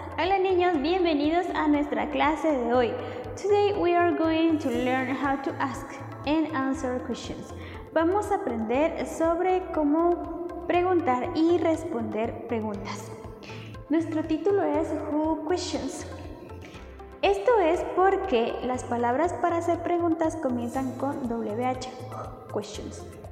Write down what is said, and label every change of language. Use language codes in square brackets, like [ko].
[es] Hola niños, bienvenidos a nuestra clase de hoy. [en] Today we are going to learn how to ask and answer questions. [es] Vamos a aprender sobre cómo preguntar y responder preguntas. Nuestro título es [en] Who Questions. [es] Esto es porque las palabras para hacer preguntas comienzan con WH, questions.